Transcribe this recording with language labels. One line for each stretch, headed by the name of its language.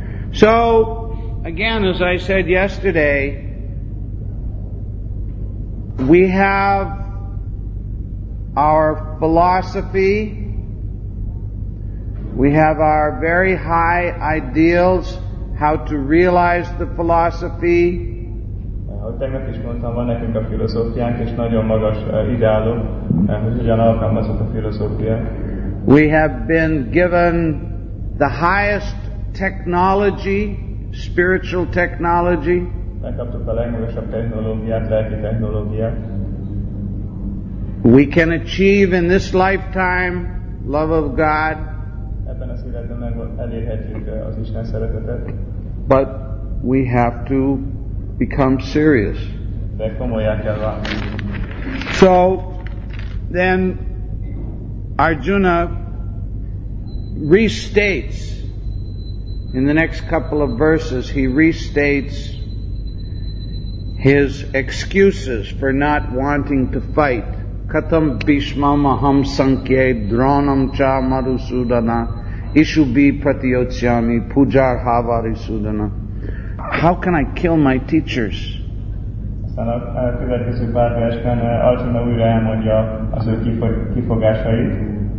English: So, again, as I said yesterday, we have our philosophy, we have our very high ideals, how to realize the philosophy.
Hungarian: Ahogy tegnap is mondtam, van nekünk a filozófiánk, és nagyon magas ideálunk, hogy ugyan alkalmazott a filozófia.
English: We have been given the highest technology, spiritual technology.
Hungarian: Megkaptuk a legmagasabb technológiát, lelki technológiát.
English: We can achieve in this lifetime love of God.
Hungarian: Ebben az életben elérhetjük az Isten szeretetet.
English: But we have to become serious.
Hungarian: De komolyá kell válni.
English: So then Arjuna restates. In the next couple of verses, he restates his excuses for not wanting to fight.
Sanskrit: Katam bhishma maham sankye dronam cha madhusudana ishubi pratiyotsyami puja havari sudana.
English: How can I kill my teachers?
Hungarian: Aztán a következő pár versben Arjuna újra elmondja az ő kifogásait.